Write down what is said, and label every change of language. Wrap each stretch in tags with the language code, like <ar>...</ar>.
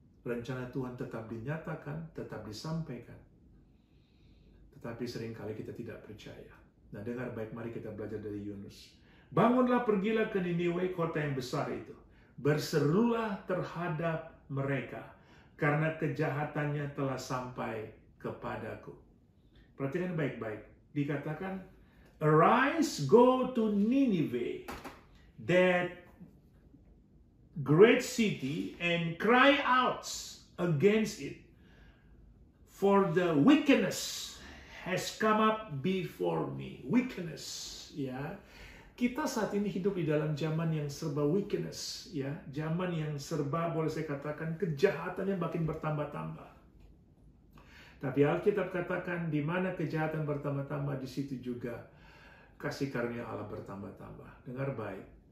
<id>Rencana Tuhan tetap dinyatakan, tetap disampaikan. Tetapi seringkali kita tidak percaya. Nah, dengar baik, mari kita belajar dari Yunus. Bangunlah, pergilah ke Niniwe, kota yang besar itu. Berserulah terhadap mereka, karena kejahatannya telah sampai kepadaku. Perhatikan baik-baik. Dikatakan,</id> <en>arise, go to Nineveh, that great city, and cry out against it, for the wickedness has come up before me.</en> <id>Wickedness, ya. Kita saat ini hidup di dalam zaman yang serba wickedness, ya. Zaman yang serba, boleh saya katakan, kejahatannya makin bertambah-tambah. Tapi Alkitab katakan, di mana kejahatan bertambah-tambah, di situ juga kasih karunia Allah bertambah-tambah. Dengar baik.</id>